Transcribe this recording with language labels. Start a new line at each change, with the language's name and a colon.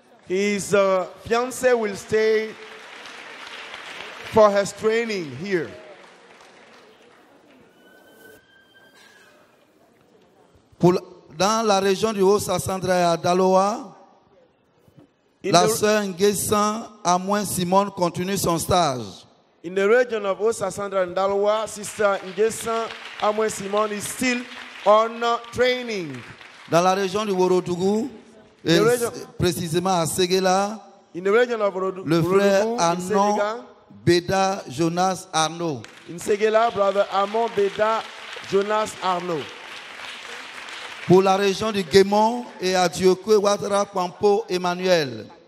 English: His fiancé will stay for his training here.
French: Pour, dans la région du Haut-Sassandra et à Daloa, la sœur Nguessan Amouin Simone continue son stage.
English: In the region of Haut-Sassandra and Daloa, Sister Nguessan Amouin Simone is still on training.
French: Dans la région du Worodougou, et précisément à Séguéla,
English: in the region of Worodougou,
French: le frère Anon Beda Jonas Arnaud.
English: In Séguéla, brother Anon Beda Jonas Arnaud.
French: Pour la région du Guémont et à Diokwe, Ouattara Pampo Emmanuel.